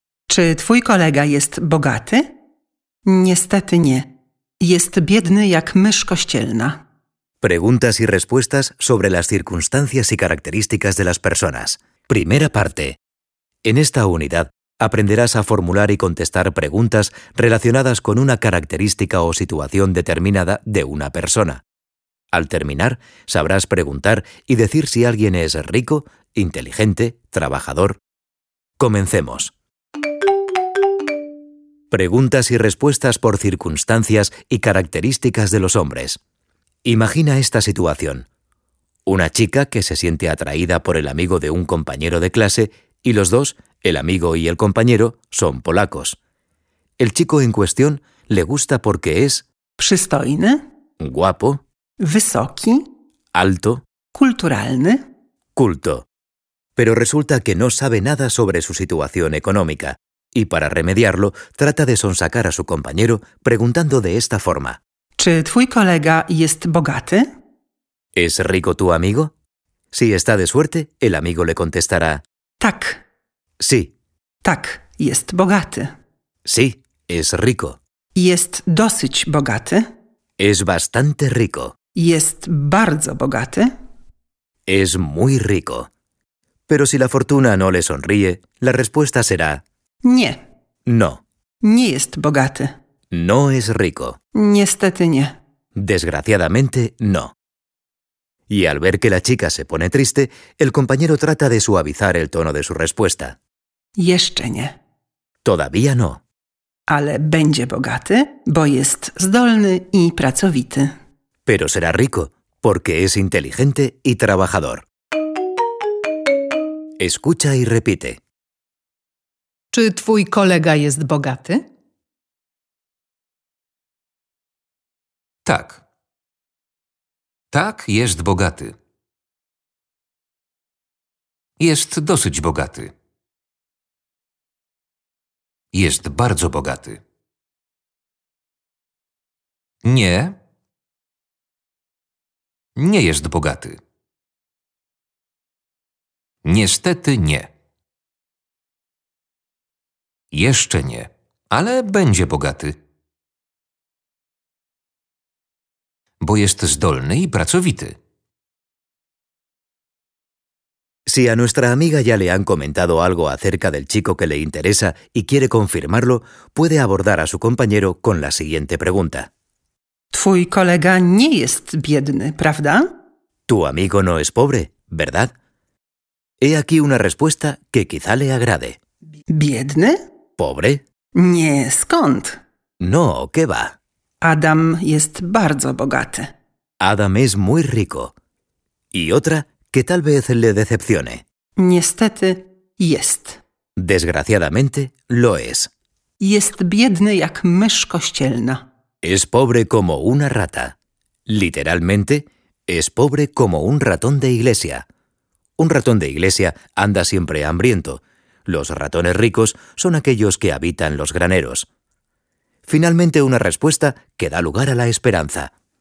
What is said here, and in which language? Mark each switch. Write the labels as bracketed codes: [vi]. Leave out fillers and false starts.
[pl] Czy twój kolega jest bogaty? Niestety nie. Jest biedny jak mysz kościelna. [es] Preguntas y respuestas sobre las circunstancias y características de las personas. Primera parte. En esta unidad aprenderás a formular y contestar preguntas relacionadas con una característica o situación determinada de una persona. Al terminar, sabrás preguntar y decir si alguien es rico, inteligente, trabajador. Comencemos. Preguntas y respuestas por circunstancias y características de los hombres. Imagina esta situación. Una chica que se siente atraída por el amigo de un compañero de clase y los dos, el amigo y el compañero, son polacos. El chico en cuestión le gusta porque es [pl] przystojny, [es] guapo, [pl] wysoki, [es] alto, [pl] kulturalny, [es] culto. Pero resulta que no sabe nada sobre su situación económica y para remediarlo trata de sonsacar a su compañero preguntando de esta forma. [pl] ¿Czy twój kolega jest bogaty? [es] ¿Es rico tu amigo? Si está de suerte, el amigo le contestará [pl] tak. [es] Sí. [pl] Tak, jest bogaty. [es] Sí, es rico. [pl] Jest dosyć bogaty. [es] Es bastante rico. [pl] Jest bardzo bogaty. [es] Es muy rico. Pero si la fortuna no le sonríe, la respuesta será [pl] nie. [es] No. [pl] Nie jest bogaty. [es] No es rico. [pl] Niestety nie. [es] Desgraciadamente, no. Y al ver que la chica se pone triste, el compañero trata de suavizar el tono de su respuesta. [pl] Jeszcze nie. [es] Todavía no. [pl] Ale będzie bogaty, bo jest zdolny i pracowity. [es] Pero será rico, porque es inteligente y trabajador. Escucha y repite. [pl] Czy twój kolega jest bogaty? Tak. Tak, jest bogaty. Jest dosyć bogaty. Jest bardzo bogaty. Nie. Nie jest bogaty. Niestety nie. Jeszcze nie, ale będzie bogaty. Bo jest zdolny i pracowity. [es] Si a nuestra amiga ya le han comentado algo acerca del chico que le interesa y quiere confirmarlo, puede abordar a su compañero con la siguiente pregunta. [pl] Twój kolega nie jest biedny, prawda? [es] Tu amigo no es pobre, ¿verdad? He aquí una respuesta que quizá le agrade. [pl] ¿Biedny? [es] ¿Pobre? [pl] Nie, skąd? [es] No, ¿qué va? [pl] Adam jest bardzo bogaty. [es] Adam es muy rico. Y otra que tal vez le decepcione. [pl] Niestety, jest. [es] Desgraciadamente, lo es. [pl] Jest biedny jak mysz kościelna. [es] Es pobre como una rata. Literalmente, es pobre como un ratón de iglesia. Un ratón de iglesia anda siempre hambriento. Los ratones ricos son aquellos que habitan los graneros. Finalmente, una respuesta que da lugar a la esperanza.